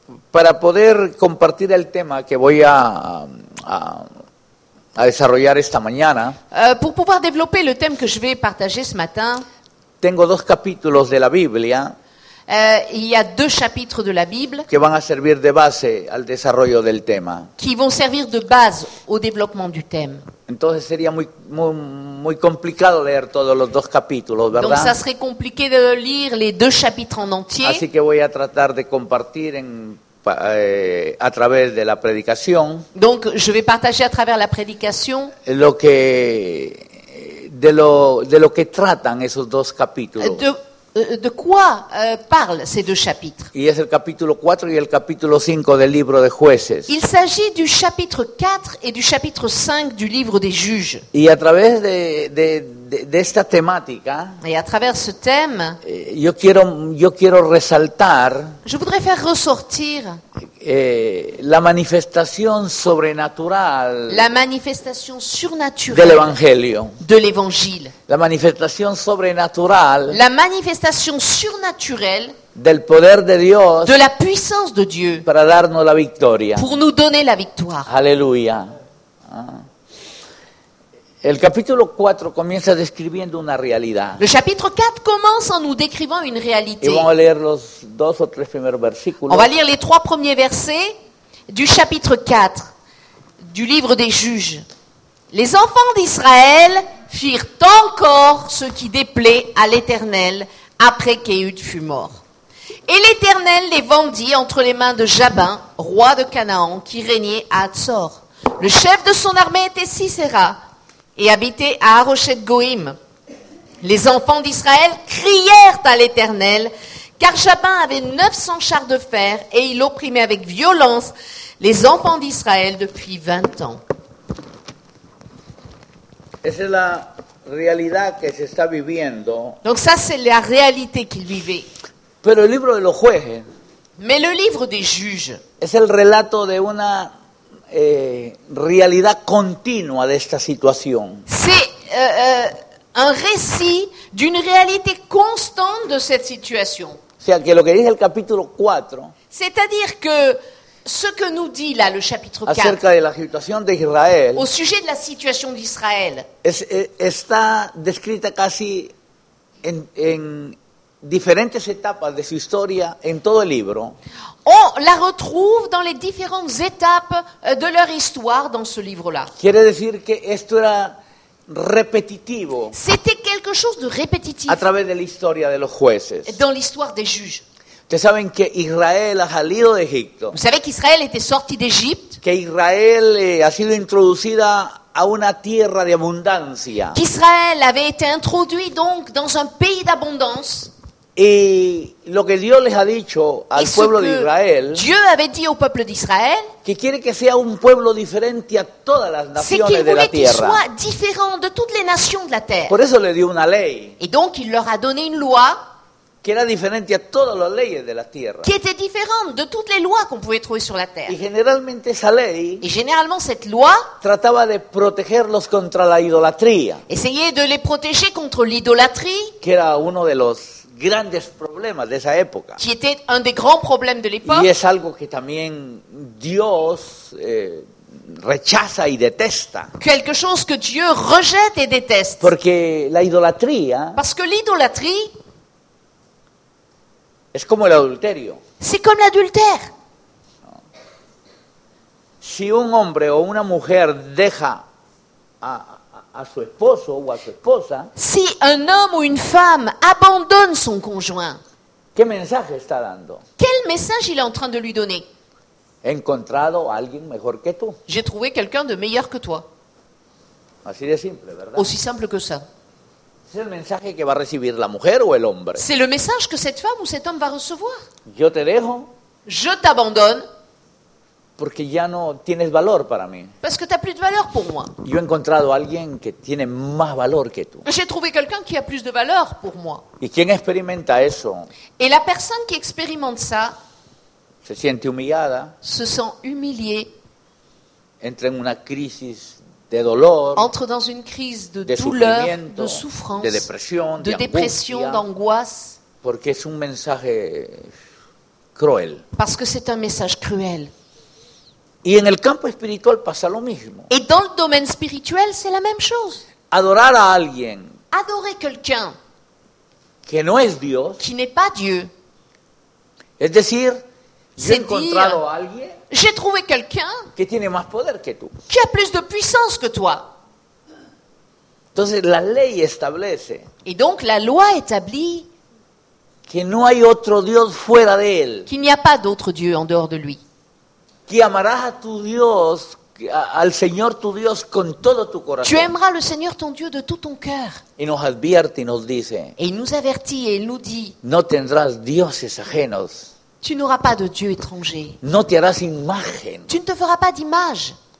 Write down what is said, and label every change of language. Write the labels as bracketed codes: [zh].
[es] Para poder compartir el tema que voy a desarrollar esta mañana. [fr] Pour pouvoir développer le thème que je vais partager ce matin. [es] Tengo dos capítulos de la Biblia. [fr] Il y a deux chapitres de la Bible [es] que van a servir de base al desarrollo del tema. [fr] Qui vont servir de base au développement du thème. [es] Entonces sería muy complicado leer todos los dos capítulos, ¿verdad? [fr] Donc ça serait compliqué de lire les deux chapitres en entier. [es] Así que voy a tratar de compartir a través de la predicación. [fr] Donc je vais partager à travers la prédication. [es] De lo que tratan esos dos capítulos. [fr] De quoi parlent ces deux chapitres? [es] Y es el capítulo 4 y el capítulo 5 del libro de jueces. [fr] Il s'agit du chapitre 4 et du chapitre 5 du livre des juges. [es] Y a través de esta temática, [fr] et à travers ce thème, [es] yo quiero resaltar, [fr] je voudrais faire ressortir [es] la manifestación sobrenatural, [fr] la manifestación surnaturelle [es] del evangelio, [fr] de l'évangile, [es] la manifestación sobrenatural, [fr] la manifestación surnaturelle [es] del poder de Dios, [fr] de la puissance de Dieu, [es] para darnos la victoria, [fr] pour nous donner la victoire. [es] Aleluya. El capítulo 4 comienza describiendo una realidad. [fr] Le chapitre 4 commence en nous décrivant une réalité. [es] Y vamos a leer los dos o tres primeros versículos. [fr] On va lire les trois premiers versets du chapitre 4 du livre des juges. Les enfants d'Israël firent encore ce qui déplaît à l'Éternel après qu'Éhud fut mort. Et l'Éternel les vendit entre les mains de Jabin, roi de Canaan, qui régnait à Hatsor. Le chef de son armée était Sisera, et habitait à Haroshet Goïm. Les enfants d'Israël crièrent à l'Éternel, car Jabin avait 900 chars de fer, et il opprimait avec violence les enfants d'Israël depuis 20 ans. [es] Esa es la realidad que se está viviendo. [fr] Donc ça, c'est la réalité qu'ils vivaient. [es] Pero el libro de los jueces, [fr] mais le livre des juges, [es] es el relato de una realidad continua de esta situación. [fr] C'est un récit d'une réalité constante de cette situation. [es] O sea, que lo que dice el capítulo 4. [fr] C'est-à-dire que ce que nous dit là le chapitre 4 [es] acerca de la situación de Israel. [fr] Au sujet de la situation d'Israël. [es] Está descrita casi en diferentes etapas de su historia en todo el libro. [fr] On la retrouve dans les différentes étapes de leur histoire dans ce livre-là. [es] Quiere decir que esto era repetitivo. [fr] C'était quelque chose de répétitif. [es] A través de la historia de los jueces. [fr] Dans l'histoire des juges. [es] Ustedes saben que Israel ha salido de Egipto. [fr] Vous savez qu'Israël était sorti d'Égypte. [es] Que Israel ha sido introducida a una tierra de abundancia. [fr] Israel avait été introduit donc dans un pays d'abondance. [es] Y lo que Dios les ha dicho al pueblo de Israel. [fr] Dieu avait dit au peuple d'Israël. [es] Que quiere que sea un pueblo diferente a todas las naciones de la tierra. [fr] C'est qu'il voulait qu'il soit différent de toutes les nations de la terre. [es] Por eso le dio una ley. [fr] Et donc il leur a donné une loi. [es] Que era diferente a todas las leyes de la tierra. [fr] Qui était différente de toutes les lois qu'on pouvait trouver sur la terre. [es] Y generalmente esa ley. [fr] Et généralement cette loi. [es] Trataba de protegerlos contra la idolatría. [fr] Essayait de les protéger contre l'idolâtrie. [es] Que era uno de los grandes problemas de esa época. [fr] Qui était un des grands problèmes de l'époque. [es] Y es algo que también Dios rechaza y detesta. [fr] Quelque chose que Dieu rejette et déteste. [es] Porque la idolatría. [fr] Parce que l'idolâtrie. [es] Es como el adulterio. [fr] C'est comme l'adultère. [es] Si un hombre o una mujer deja a su esposo o a su esposa. [fr] Si un homme ou une femme abandonne son conjoint. [es] ¿Qué mensaje está dando? [fr] Quel message il est en train de lui donner? [es] He encontrado a alguien mejor que tú. [fr] J'ai trouvé quelqu'un de meilleur que toi. [es] Así de simple, ¿verdad? [fr] Aussi simple que ça. [es] Es el mensaje que va a recibir la mujer o el hombre. [fr] C'est le message que cette femme ou cet homme va recevoir. [es] Yo te dejo. [fr] Je t'abandonne. [es] Porque ya no tienes valor para mí. [fr] Parce que t'as plus de valeur pour moi. [es] Yo he encontrado a alguien que tiene más valor que tú. [fr] J'ai trouvé quelqu'un qui a plus de valeur pour moi. [es] ¿Y quién experimenta eso? [fr] Et la personne qui expérimente ça. [es] Se siente humillada. [fr] Se sent humiliée. [es] Entra en una crisis. De dolor, [fr] entre dans une crise de douleur, de souffrance, [es] de dépression, [fr] de dépression, d'angoisse. [es] Porque es un mensaje cruel. [fr] Parce que c'est un message cruel. [es] Y en el campo espiritual pasa lo mismo. [fr] Et dans le domaine spirituel, c'est la même chose. [es] Adorar a alguien. [fr] Adorer quelqu'un. [es] Que no es Dios. [fr] Qui n'est pas Dieu. [es] Es decir, [fr] c'est [es] yo he encontrado a alguien. [fr] J'ai trouvé quelqu'un [es] que tiene más poder que tú. [fr] Qui a plus de puissance que toi. [es] Entonces, la ley establece. [fr] Et donc la loi établit [es] que no hay otro Dios fuera de él. [fr] Qu'il n'y a pas d'autre Dieu en dehors de lui. [es] Que amarás a tu Dios, al Señor tu Dios con todo tu corazón. [fr] Tu aimeras le Seigneur ton Dieu de tout ton cœur. [es] Y nos advierte y nos dice. [fr] Et il nous avertit et il nous dit. [es] No tendrás dioses ajenos. [fr] Tu n'auras pas de Dieu étranger. [es] No te harás imagen. [fr] Tu ne te feras pas d'image.